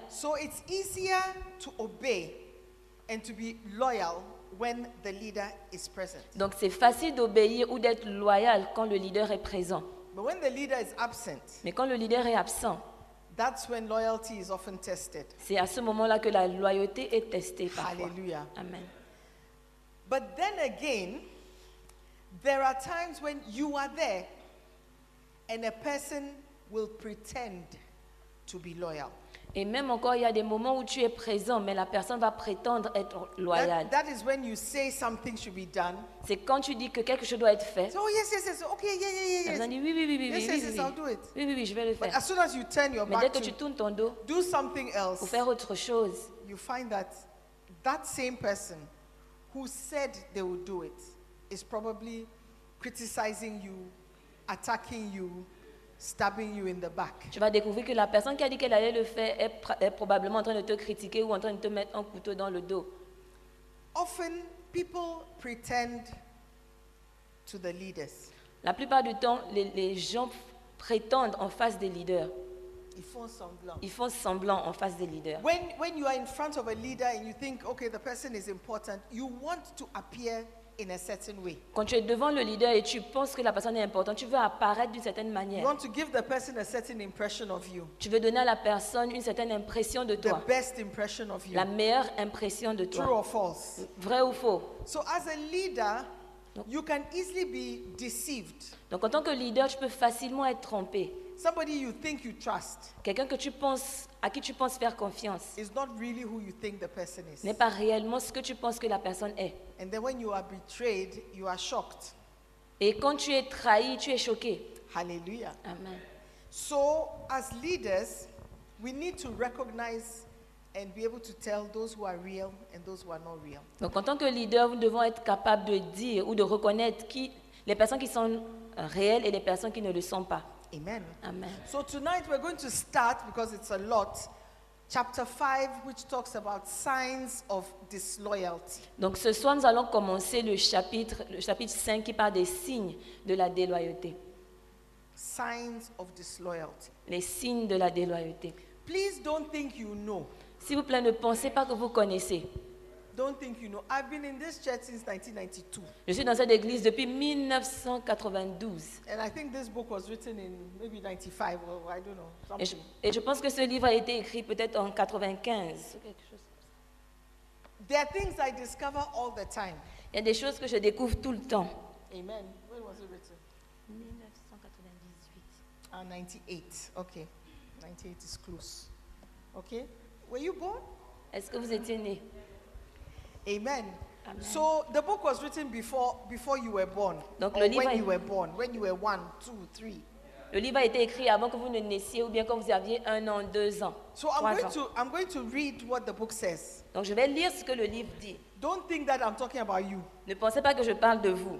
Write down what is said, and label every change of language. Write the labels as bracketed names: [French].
[English] So it's easier to obey and to be loyal. When the leader is present. [French] Donc c'est facile d'obéir ou d'être loyal quand le leader est présent. [English] But when the leader is absent, [French] mais quand le leader est absent, [English] that's when loyalty is often tested. [French] C'est à ce moment-là que la loyauté est testée parfois. [English] Hallelujah. Amen. But then again, there are times when you are there and a person will pretend to be loyal. [French] Et même encore, il y a des moments où tu es présent, mais la personne va prétendre être loyale. [English] That is when you say something should be done. [French] C'est quand tu dis que quelque chose doit être fait. [English] So, oh, yes, okay, yeah. [French] La personne dit oui, [English] I'll do it. [French] Oui, je vais le faire. [English] But as soon as you turn your [French] mais dès [English] back [French] que tu tournes ton dos [English] do something else, [French] pour faire autre chose, [English] you find that that same person who said they would do it is probably criticizing you, attacking you, stabbing you in the back. [French] Tu vas découvrir que la personne qui a dit qu'elle allait le faire est probablement en train de te critiquer ou en train de te mettre un couteau dans le dos. [English] Often people pretend to the leaders. [French] La plupart du temps, les gens prétendent en face des leaders. Ils font semblant. Ils font semblant en face des leaders. [English] When you are in front of a leader and you think, okay, the person is important, you want to appear in a certain way. [French] Quand tu es devant le leader et tu penses que la personne est importante, tu veux apparaître d'une certaine manière. [English] You want to give the person a certain impression of you. [French] Tu veux donner à la personne une certaine impression de toi. [English] The best impression of you. [French] La meilleure impression de toi. [English] True or false. [French] Vrai ou faux. [English] So as a leader, you can easily be deceived. [French] Donc en tant que leader, tu peux facilement être trompé. [English] Somebody you think you trust. [French] Quelqu'un que tu penses à qui tu penses faire confiance. [English] Is not really who you think the person is. [French] N'est pas réellement ce que tu penses que la personne est. [English] And then when you are betrayed, you are shocked. [French] Et quand tu es trahi, tu es choqué. [English] Hallelujah. Amen. So as leaders, we need to recognize and be able to tell those who are real and those who are not real. [French] Donc en tant que leader, nous devons être capables de dire ou de reconnaître qui les personnes qui sont réelles et les personnes qui ne le sont pas. [English] Amen. Amen. So tonight we're going to start, because it's a lot, chapter 5, which talks about signs of disloyalty. [French] Donc ce soir, nous allons commencer le chapitre 5 qui parle des signes de la déloyauté. [English] Signs of disloyalty. [French] Les signes de la déloyauté. [English] Please don't think you know. [French] S'il vous plaît, ne pensez pas que vous connaissez. [English] Don't think you know. I've been in this church since 1992. [French] Je suis dans cette église depuis 1992. [English] And I think this book was written in maybe 95 or I don't know. [French] Et je pense que ce livre a été écrit peut-être en 95. [English] There are things I discover all the time. [French] Il y a des choses que je découvre tout le temps. [English] Amen. When was it written? 1998. Ah, 98. Okay. 98 is close. Okay. Were you born? [French] Est-ce que vous étiez né? [English] Amen. Amen. So the book was written before you were born. [French] Donc, [English] or when you were born, when you were one, two, three. [French] Le livre a été écrit avant que vous ne naissiez ou bien quand vous aviez un an, deux ans. [English] So I'm going to read what the book says. [French] Donc je vais lire ce que le livre dit. [English] Don't think that I'm talking about you. [French] Ne pensez pas que je parle de vous.